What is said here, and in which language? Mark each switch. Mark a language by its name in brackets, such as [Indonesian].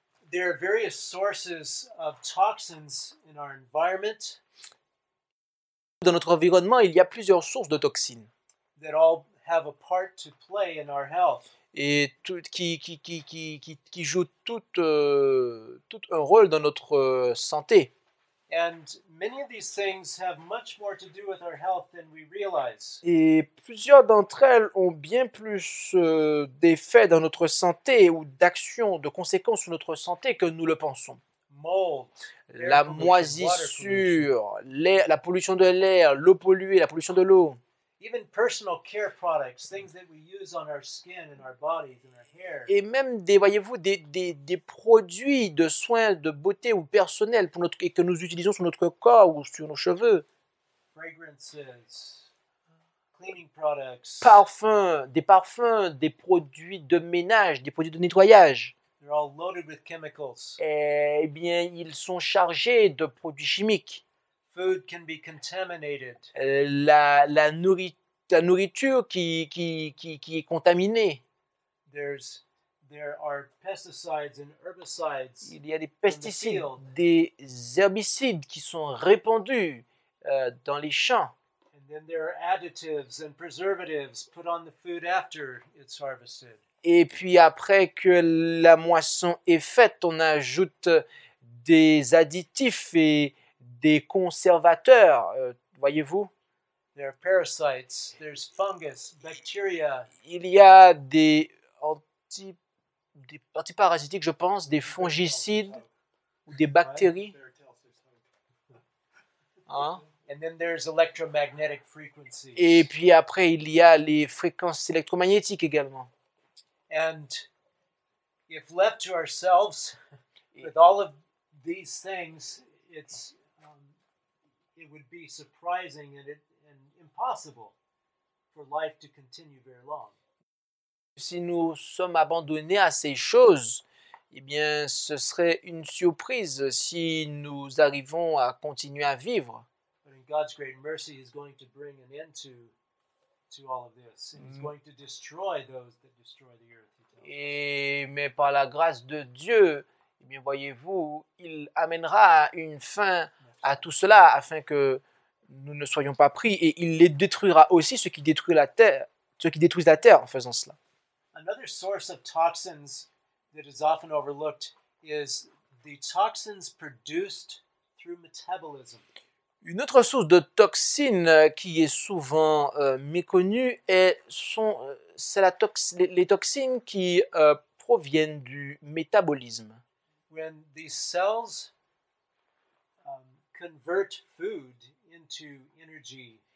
[English] There are various sources of toxins in our environment. [French] Dans notre environnement, il y a plusieurs sources de toxines. [English] That all have a part to play in our health. [French] Et tout, qui jouent tout un rôle dans notre santé. [English] And many of these things have much more to do with our health than we realize. [French] Et plusieurs d'entre elles ont bien plus d'effets dans notre santé ou d'actions, de conséquences sur notre santé que nous le pensons. [English] Mold, [French] la moisissure, la pollution de l'air, l'eau polluée, la pollution de l'eau. [English] Even personal care products, things that we use on our skin and our bodies and our hair. [French] Et même des produits de soins de beauté ou personnels pour notre et que nous utilisons sur notre corps ou sur nos cheveux. [English] Fragrances, cleaning products. [French] Parfums, des produits de ménage, des produits de nettoyage. [English] They're all loaded with chemicals. [French] Eh bien, ils sont chargés de produits chimiques. [English] Food can be contaminated. [French] La nourriture qui est contaminée. [English] There are pesticides and herbicides. [French] Il y a des pesticides, des herbicides qui sont répandus dans les champs. [English] And then there are additives and preservatives put on the food after it's harvested. [French] Et puis après que la moisson est faite, on ajoute des additifs et des conservateurs, voyez-vous. [English] There are parasites, there's fungus, bacteria. [French] Il y a des antiparasitiques, je pense, des fongicides ou des bactéries. [English] Hein? And then there's electromagnetic frequencies. [French] Et puis après, il y a les fréquences électromagnétiques également. [English] And if left to ourselves, with all of these things, it would be surprising and impossible for life to continue very long. [French] Si nous sommes abandonnés à ces choses, eh bien, ce serait une surprise si nous arrivons à continuer à vivre. [English] But in God's great mercy, He's going to bring an end to all of this. He's going to destroy those that destroy the earth. [French] Mais par la grâce de Dieu, eh bien, voyez-vous, il amènera une fin à tout cela afin que nous ne soyons pas pris, et il les détruira aussi, ceux qui détruisent la terre, en faisant cela. [English] Another source of toxins that is often overlooked is the toxins produced through metabolism. [French] Une autre source de toxines qui est souvent méconnue sont les toxines qui proviennent du métabolisme. [English] When these cells convert food into energy.